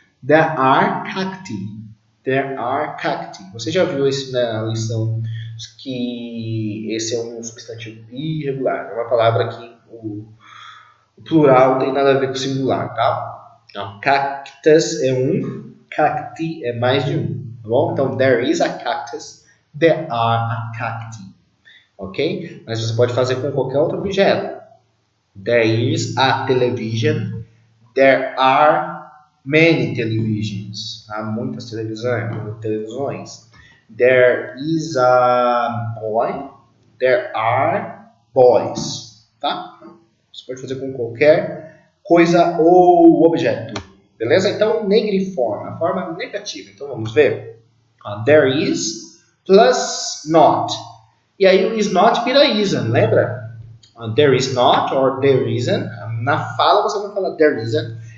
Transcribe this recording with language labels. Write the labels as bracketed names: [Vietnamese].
[English] There are cacti. There are cacti. [Portuguese] Você já viu isso na lição que esse é um substantivo irregular, é uma palavra que o plural não tem nada a ver com o singular, tá? Então, cactus é um, cacti é mais de um, tá bom? [English] Então, there is a cactus, there are a cacti, ok? [Portuguese] Mas você pode fazer com qualquer outro objeto. [English] There is a television, there are many televisions. [Portuguese] Há muitas televisões. [English] There is a boy, there are boys, tá? [Portuguese] Você pode fazer com qualquer coisa ou objeto. Beleza? Então, [English] negative form. [Portuguese] A forma negativa. Então, vamos ver. [English] There is plus not. [Portuguese] E aí, o is not vira isn't. Lembra? [English] There is not or there isn't. [Portuguese] Na fala, você vai falar [English] there isn't.